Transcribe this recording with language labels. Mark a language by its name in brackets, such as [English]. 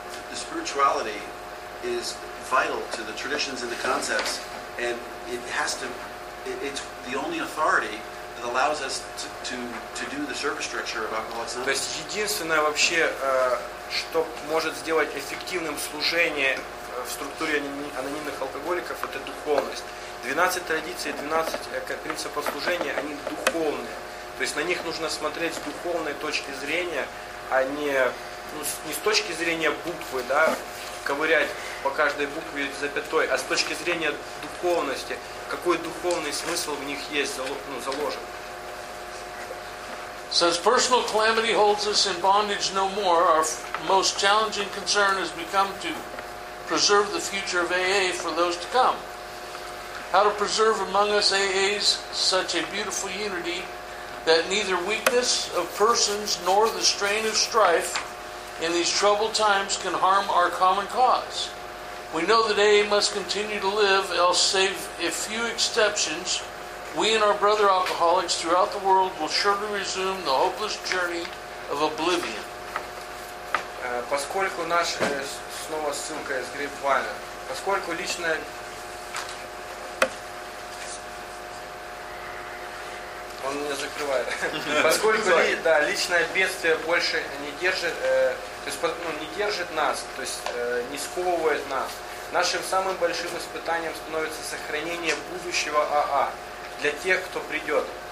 [English] The spirituality is vital to the traditions and the concepts, and it has to, it's the only authority that allows us to do the service structure of Alcoholics Anonymous. [Russian] То есть единственное вообще, что может сделать эффективным служение в структуре анонимных алкоголиков, это духовность. 12 традиций, 12 принципов служения, они духовные. То есть на них нужно смотреть с духовной точки зрения, а не, ну, не с точки зрения буквы, да, ковырять по каждой букве запятой, а с точки зрения духовности, какой духовный смысл в них есть, ну, заложен. [English] Since personal calamity holds us in bondage no more, our most challenging concern has become to preserve the future of AA for those to come. How to preserve among us AAs such a beautiful unity that neither weakness of persons nor the strain of strife in these troubled times can harm our common cause. We know that AA must continue to live, else save a few exceptions, we and our brother alcoholics throughout the world will surely resume the hopeless journey of oblivion. [Russian] Поскольку наш, снова ссылка из Грейпвайна, поскольку лично... Он меня закрывает. Поскольку да, личное бедствие больше не держит, то есть, ну, не держит нас, то есть не сковывает нас, нашим самым большим испытанием становится сохранение будущего АА для тех, кто придет.